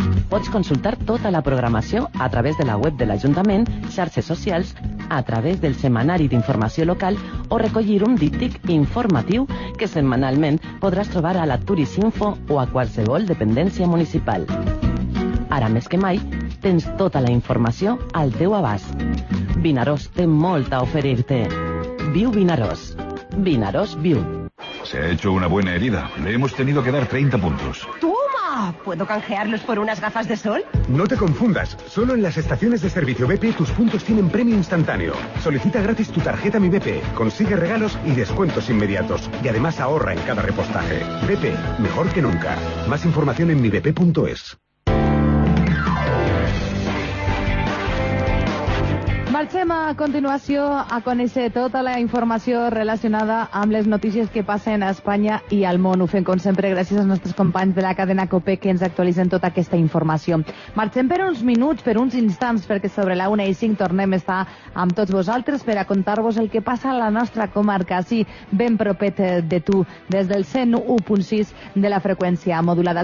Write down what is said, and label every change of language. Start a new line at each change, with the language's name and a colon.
Catalan: Pots consultar tota la programació a través de la web de l'Ajuntament, xarxes socials, a través del Semanari d'Informació Local o recollir un díptic informatiu que setmanalment podràs trobar a la Turisinfo o a qualsevol dependència municipal. Ara més que mai, tens tota la informació al teu abast. Vinaròs té molt a oferir-te. Viu Vinaròs. Vinaròs Viu.
Spanish: Se ha hecho una buena herida. Le hemos tenido que dar 30 puntos. ¡Toma! ¿Puedo canjearlos por unas gafas de sol? No te confundas. Solo en las estaciones de servicio BP tus puntos tienen premio instantáneo. Solicita gratis tu tarjeta Mi BP. Consigue regalos y descuentos inmediatos. Y además ahorra en cada repostaje. BP, mejor que nunca. Más información en mibp.es.
Catalan: Marxem a continuació a conèixer tota la informació relacionada amb les notícies que passen a Espanya i al món. Ho fem, com sempre, gràcies als nostres companys de la cadena COPE que ens actualitzen tota aquesta informació. Marxem per uns minuts, per uns instants, perquè sobre la 1:05 tornem a estar amb tots vosaltres per a contar-vos el que passa a la nostra comarca, sí, ben propet de tu, des del 101.6 de la freqüència modulada.